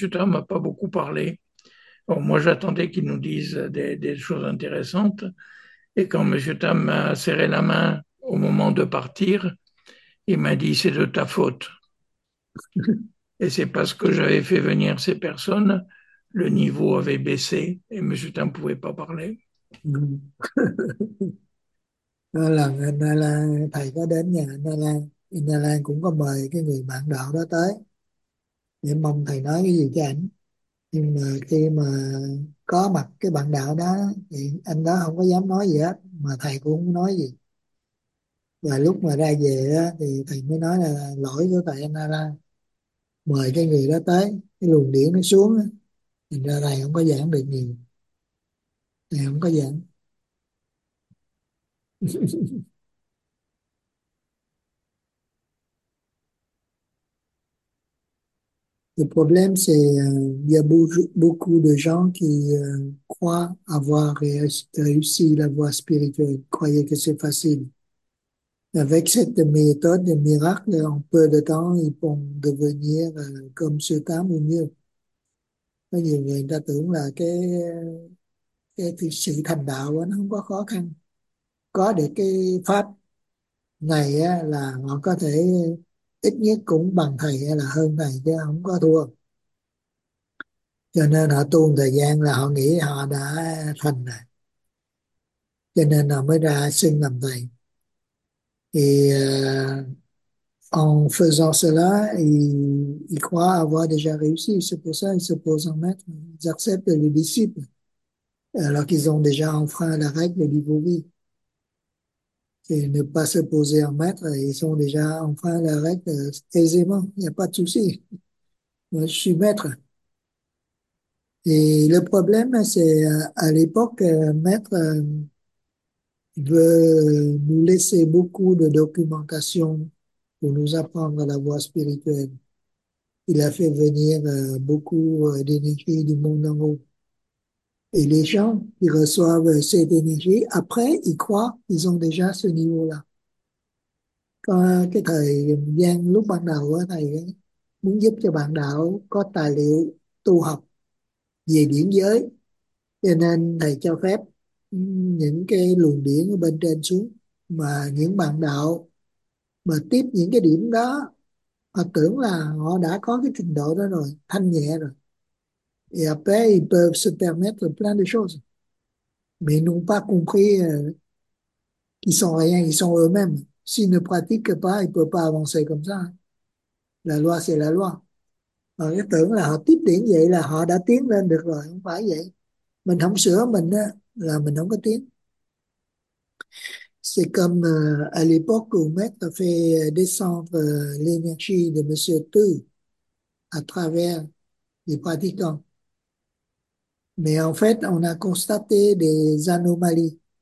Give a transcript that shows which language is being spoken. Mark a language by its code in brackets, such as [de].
[fr] Tam n'a pas beaucoup parlé. Alors moi, j'attendais qu'il nous dise des choses intéressantes. Et quand M. Tam m'a serré la main au moment de partir, il m'a dit, c'est de ta faute. Et c'est parce que j'avais fait venir ces personnes, le niveau avait baissé et M. Tam ne pouvait pas parler. [vi] Có lần anh Na Lan, thầy có đến nhà anh Na Lan, anh Na Lan cũng có mời cái người bạn đạo đó tới để mong thầy nói cái gì cho ảnh. Nhưng mà khi mà có mặt cái bạn đạo đó thì anh đó không có dám nói gì hết, mà thầy cũng không nói gì. Và lúc mà ra về đó, thì thầy mới nói là lỗi của thầy anh Na Lan, mời cái người đó tới, cái luồng điển nó xuống đó. Thì ra thầy không có giảng được nhiều, thầy không có giảng. [fr] Le problème, c'est il y a beaucoup de gens qui croient avoir réussi la voie spirituelle, croyaient que c'est facile. Avec cette méthode de miracle, en peu de temps, ils vont devenir comme ce tam ou mieux. [vi] Có nhiều người ta tưởng là cái sự thành đạo đó, nó không có khó khăn. Có được cái pháp này á, là họ có thể ít nhất cũng bằng thầy hay là hơn thầy chứ không có thua. Cho nên họ tu một thời gian là họ nghĩ họ đã thành rồi, cho nên họ mới ra xin làm thầy. [fr] Thì en faisant cela, ils croient avoir déjà réussi. C'est pour ça qu'ils se posent en maître. Ils acceptent les disciples alors qu'ils ont déjà enfreint la règle du Bouddha. Et ne pas se poser en maître, ils sont déjà enfreint la règle aisément. Il n'y a pas de souci. Moi, je suis maître. Et le problème, c'est à l'époque, maître veut nous laisser beaucoup de documentation pour nous apprendre la voie spirituelle. Il a fait venir beaucoup d'énergie du monde en haut. Et les gens qui reçoivent cette énergie, après, ils croient qu'ils ont déjà ce niveau-là. [vi] Quand cái thời gian lúc ban đầu á, thầy muốn giúp cho bạn đạo có tài liệu tu học về điển giới, cho nên thầy cho phép những cái luồng điển ở bên trên xuống, mà những bạn đạo mà tiếp những cái điểm đó họ tưởng là họ đã có cái trình độ đó rồi, thanh nhẹ rồi. [fr] Et après, ils peuvent se permettre plein de choses. Mais ils n'ont pas compris qu'ils sont rien, ils sont eux-mêmes. S'ils ne pratiquent pas, ils ne peuvent pas avancer comme ça. La loi, c'est la loi. [vi] Họ tưởng là họ tiếp điển vậy là họ đã tiến lên được rồi. Không phải vậy. Mình không sửa mình là mình không có tiến. [fr] C'est comme à l'époque où Maître a fait descendre l'énergie de Monsieur Tu à travers les pratiquants. Mais en fait, on a constaté des anomalies.